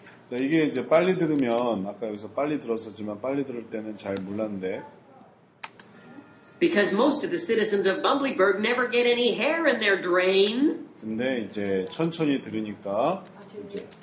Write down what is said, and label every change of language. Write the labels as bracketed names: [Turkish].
[Korean] 자, 이게 이제 빨리 들으면 아까 여기서 빨리 들었었지만 빨리 들을 때는 잘 몰랐는데. [English] Because most of the citizens of Bumblyburg never get any hair in their drains. [Korean] 근데 이제 천천히 들으니까 이제.